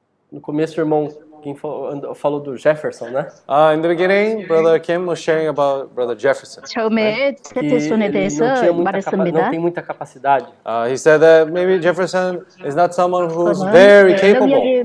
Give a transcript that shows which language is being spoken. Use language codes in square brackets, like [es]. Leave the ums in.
[pt] no começo, irmão, quem falou, falou, do Jefferson, né? [en] Ah, uh, in the beginning, uh, brother Kim was sharing about brother Jefferson. Uh, Jefferson right? [pt] Que ele não, tinha muita capa- não tem muita capacidade. [en] Uh, he said that maybe Jefferson is not someone who's very capable.